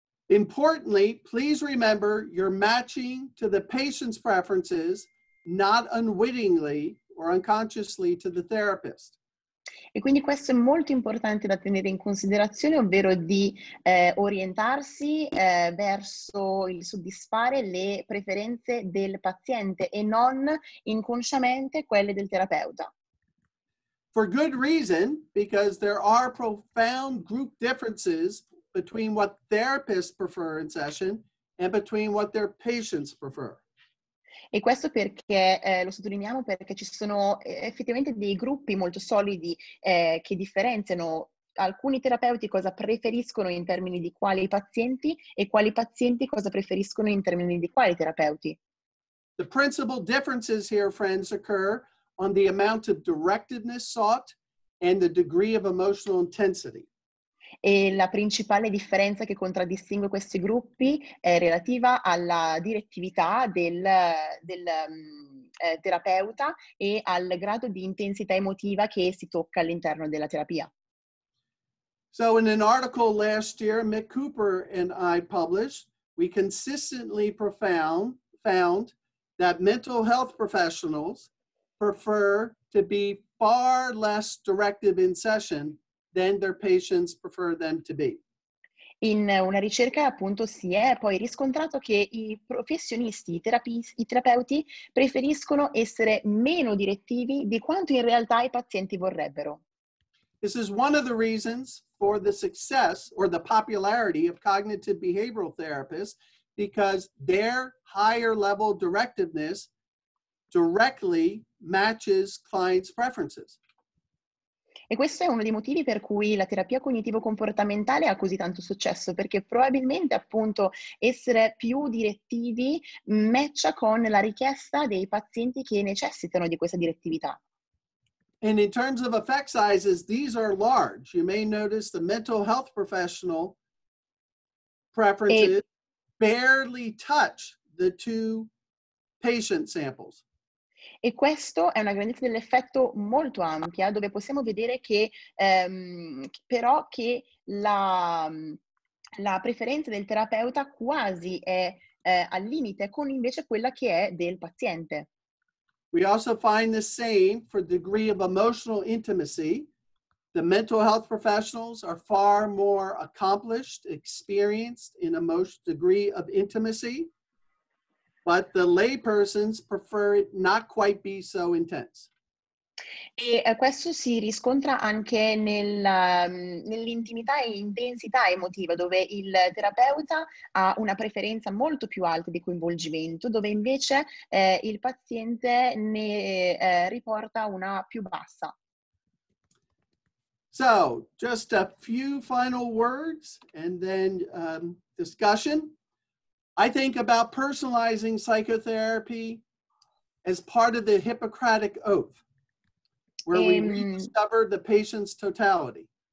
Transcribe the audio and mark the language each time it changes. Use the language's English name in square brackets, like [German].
[English] Importantly, please remember you're matching to the patient's preferences, not unwittingly or unconsciously to the therapist. [Italian] E quindi questo è molto importante da tenere in considerazione, ovvero di orientarsi verso il soddisfare le preferenze del paziente e non inconsciamente quelle del terapeuta. [English] For good reason, because there are profound group differences between what therapists prefer in session and between what their patients prefer. [Italian] E questo perché lo sottolineiamo perché ci sono effettivamente dei gruppi molto solidi che differenziano alcuni terapeuti cosa preferiscono in termini di quali pazienti e quali pazienti cosa preferiscono in termini di quali terapeuti. [English] The principal differences here, friends, occur on the amount of directiveness sought and the degree of emotional intensity. [Italian] E la principale differenza che contraddistingue questi gruppi è relativa alla direttività del terapeuta e al grado di intensità emotiva che si tocca all'interno della terapia. [English] So in an article last year Mick Cooper and I published, we consistently found that mental health professionals prefer to be far less directive in session than their patients prefer them to be. [Italian] In una ricerca, appunto, si è poi riscontrato che i professionisti, i terapeuti, preferiscono essere meno direttivi di quanto in realtà i pazienti vorrebbero. [English] This is one of the reasons for the success or the popularity of cognitive behavioral therapists, because their higher level directiveness directly matches clients' preferences. [Italian] E questo è uno dei motivi per cui la terapia cognitivo-comportamentale ha così tanto successo, perché probabilmente appunto essere più direttivi matcha con la richiesta dei pazienti che necessitano di questa direttività. [English] And in terms of effect sizes, these are large. You may notice the mental health professional preferences barely touch the two patient samples. [Italian] E questo è una grandezza dell'effetto molto ampia, dove possiamo vedere che però che la preferenza del terapeuta quasi è al limite con invece quella che è del paziente. [English] We also find the same for degree of emotional intimacy. The mental health professionals are far more accomplished, experienced in a most degree of intimacy, but the laypersons prefer it not quite be so intense. [Italian] E questo si riscontra anche nell'intimità e intensità emotiva, dove il terapeuta ha una preferenza molto più alta di coinvolgimento, dove invece il paziente ne riporta una più bassa. [English] So, just a few final words and then discussion. I think about personalizing psychotherapy as part of the Hippocratic Oath, where we rediscover the patient's totality.